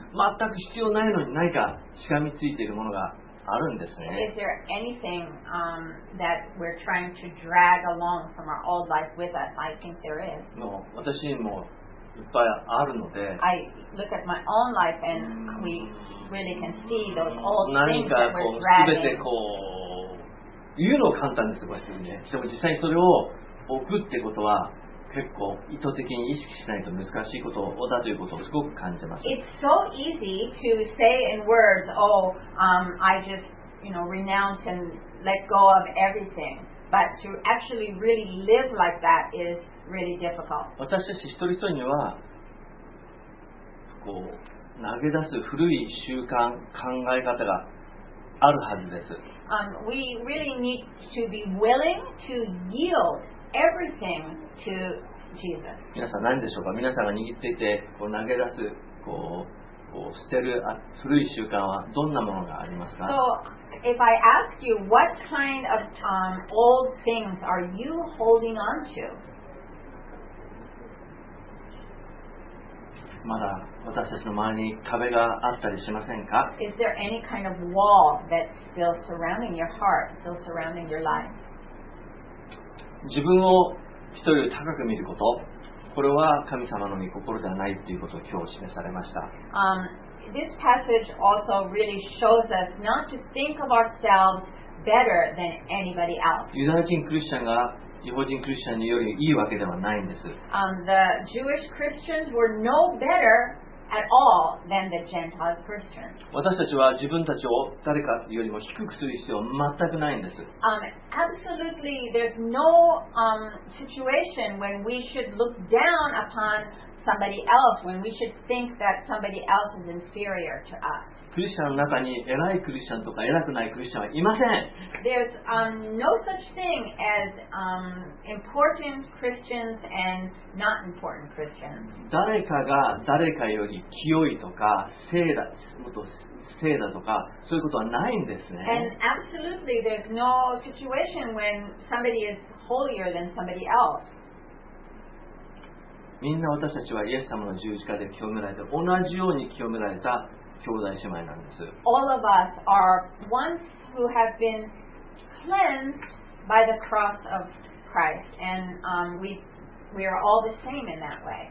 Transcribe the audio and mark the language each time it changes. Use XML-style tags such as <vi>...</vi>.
<ja>全く必要ないのに何かしがみついているものがあるんですね。</ja> <en>Is there anything that we're trying to drag along from our old life with us? I think there is.</en> <ja>もう私にもいっぱいあるので。</ja> <en>I look at my own life and we really can see those old things that we're dragging.</en> <ja>何かこう全てこう言うのは簡単ですよ、私にね。でも実際にそれを置くってことは結構意図的に意識しないと難しいことだということをすごく感じます。</ja> <en>It's so easy to say in words, oh, I just, you know, renounce and let go of everything. But to actually really live like that is really difficult.</en> <ja>私たち一人一人にはこう投げ出す古い習慣、考え方があるはずです。</ja> <en>We really need to be willing to yield. Everything to Jesus.</en> <ja>皆さん何でしょうか皆さんが握っていてこう投げ出すこう捨てる古い習慣はどんなものがありますか</ja> <en>So if I ask you what kind of old things are you holding on to?</en> <ja>まだ私たちの周りに壁があったりしませんか</ja> <en>Is there any kind of wall that's still surrounding your heart, still surrounding your life?</en> <ja>自分を人より高く見ること、これは神様の御心ではないということを今日示されました。</ja> <en>This passage also really shows us not to think of ourselves better than anybody else.</en> <ja>ユダヤ人クリスチャンが異邦人クリスチャンによりいいわけではないんです。</ja> <en>The Jewish Christians were no better at all than the Gentile Christians.</en> <ja>私たちは自分たちを誰かよりも低くする必要は全くないんです。</ja> <en>Absolutely, there's no situation when we should look down upon somebody else, when we should think that somebody else is inferior to us.</en> <ja>クリスチャンの中に偉いクリスチャンとか偉くないクリスチャンはいません。</ja> <en>There's no such thing as important Christians and not important Christians.</en> <ja>誰かが誰かより清いとか聖だ、もっと聖だとかそういうことはないんですね。</ja> <en>And absolutely, there's no situation when somebody is holier than somebody else.</en> <ja>みんな私たちはイエス様の十字架で清められて同じように清められた兄弟姉妹なんです。</ja> <en>All of us are ones who have been cleansed by the cross of Christ, and we are all the same in that way.</en>